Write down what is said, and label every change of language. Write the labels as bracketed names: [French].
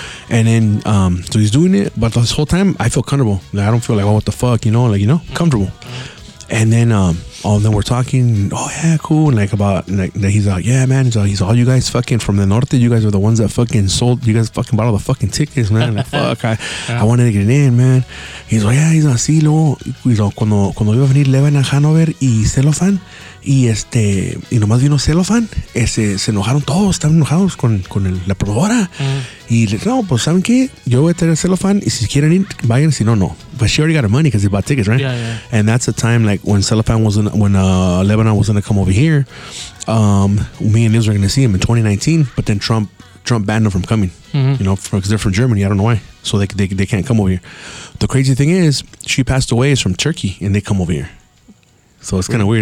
[English] And then, so he's doing it. But this whole time, I feel comfortable. Like, I don't feel like, oh, what the fuck, you know, comfortable. And then, we're talking. Oh yeah, cool. And like about, and he's like, yeah, man. He's all you guys fucking from the norte. You guys are the ones that fucking sold. You guys fucking bought all the fucking tickets, man. Like, fuck, I wanted to get it in, man. He's like, yeah. He's like, [Spanish] sí, luego, he's like, cuando iba a venir Levan a Hanover y Celofan y este y nomás vino Celofan, ese se enojaron todos. Estaban enojados con el, la promotora. Y le dije, no, pues saben qué, yo voy a tener Celofan y si quieren ir, vayan. Si no, no. [English] But she already got her money because he bought tickets, right? Yeah. And that's the time, like, when Celofan was in, when Lebanon was going to come over here, me and Liz were going to see him in 2019, but then Trump banned them from coming, you know, because they're from Germany. I don't know why. So they can't come over here. The crazy thing is, she passed away, is from Turkey, and they come over here. So it's kind of weird.